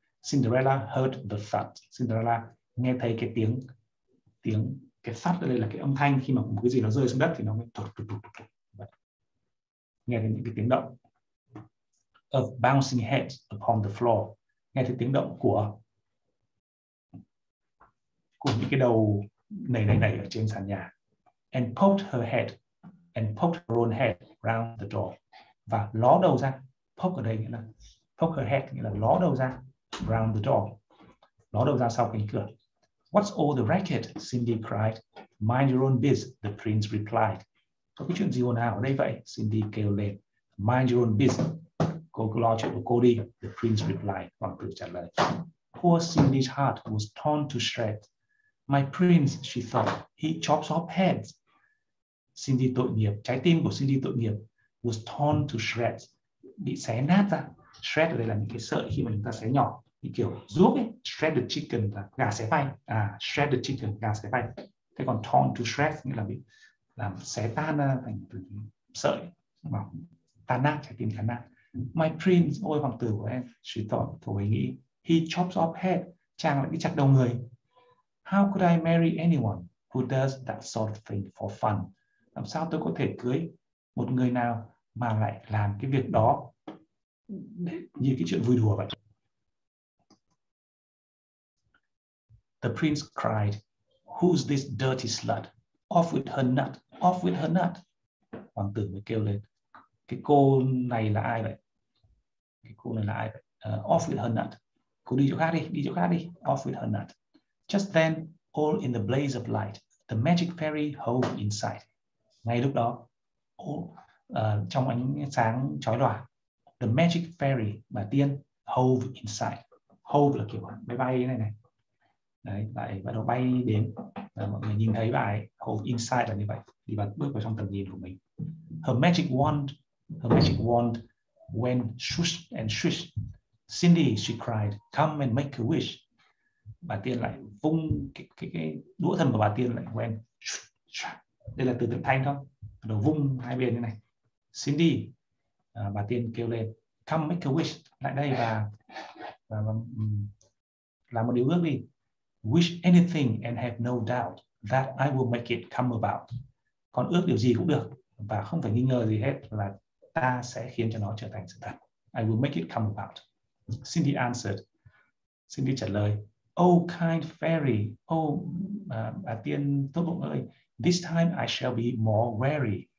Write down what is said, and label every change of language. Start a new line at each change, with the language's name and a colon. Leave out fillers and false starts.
English: Cinderella heard the thuds.
Vietnamese: Cinderella nghe thấy cái tiếng, cái thud ở đây là cái âm thanh khi mà một cái gì nó rơi xuống đất thì nó mới tụt tụt tụt tụt. Nghe thấy những cái tiếng động
English: of bouncing heads upon the floor.
Vietnamese: Nghe thấy tiếng động của những cái đầu nảy ở trên sàn nhà.
English: And poked her head and poked her own head round the door.
Vietnamese: Và ló đầu ra, poke ở đây nghĩa là
English: poke her head,
Vietnamese: nghĩa là ló đầu ra,
English: round the door,
Vietnamese: ló đầu ra sau cánh cửa.
English: What's all the racket? Cindy cried. Mind your own biz, the prince replied.
Vietnamese: Có cái chuyện gì hồn nào ở đây vậy? Cindy kêu lên.
English: Mind your own biz.
Vietnamese: Cô cứ lo chuyện của cô đi,
English: the prince replied.
Vietnamese: Hoàng tử trả lời.
English: Poor Cindy's heart was torn to shreds. My prince, she thought, he chops off heads.
Vietnamese: Cindy tội nghiệp, trái tim của Cindy tội nghiệp,
English: was torn to shreds,
Vietnamese: bị xé nát ra. Shred ở đây là những cái sợi khi mà chúng ta xé nhỏ, như kiểu ruốc ấy, shredded chicken là gà xé phay. À, shredded chicken, gà xé phay. Thế còn
English: torn to shreds
Vietnamese: nghĩa là bị làm xé tan ra thành từ sợi, tan nát, trái tim tan nát.
English: My prince,
Vietnamese: ôi hoàng tử của em,
English: she thought,
Vietnamese: cô ấy nghĩ,
English: he chops off head,
Vietnamese: chàng lại bị chặt đầu người.
English: How could I marry anyone who does that sort of thing for fun?
Vietnamese: Làm sao tôi có thể cưới một người nào mà lại làm cái việc đó như cái chuyện vui đùa vậy?
English: The prince cried, who's this dirty slut? Off with her nut, off with her nut.
Vietnamese: Hoàng tử mới kêu lên, cái cô này là ai vậy? Cái cô này là ai vậy?
English: Off with her nut.
Vietnamese: Cô đi chỗ khác đi, đi chỗ khác đi.
English: Off with her nut. Just then, all in the blaze of light, the magic fairy hove in sight.
Vietnamese: Ngay lúc đó, trong ánh sáng chói lòa,
English: the magic fairy,
Vietnamese: bà tiên,
English: hove in sight.
Vietnamese: Hove là kiểu máy bay này này. Đấy, bà đó bay đến. Mọi người nhìn thấy bà ấy,
English: hove in sight
Vietnamese: là như vậy. Thì bà bước vào trong tầm nhìn của mình.
English: Her magic wand went swish and swish. Cindy, she cried, come and make a wish.
Vietnamese: Bà tiên lại vung cái đũa thần của bà tiên lại quen. Đây là từ tượng thanh không? Nó vung hai bên như này. Cindy, bà tiên kêu lên,
English: come make a wish,
Vietnamese: lại đây và làm một điều ước đi.
English: Wish anything and have no doubt that I will make it come about.
Vietnamese: Còn ước điều gì cũng được và không phải nghi ngờ gì hết là ta sẽ khiến cho nó trở thành sự thật.
English: I will make it come about. Cindy answered.
Vietnamese: Cindy trả lời,
English: oh kind fairy, oh
Vietnamese: bà tiên tốt bụng ơi,
English: this time I shall be more wary.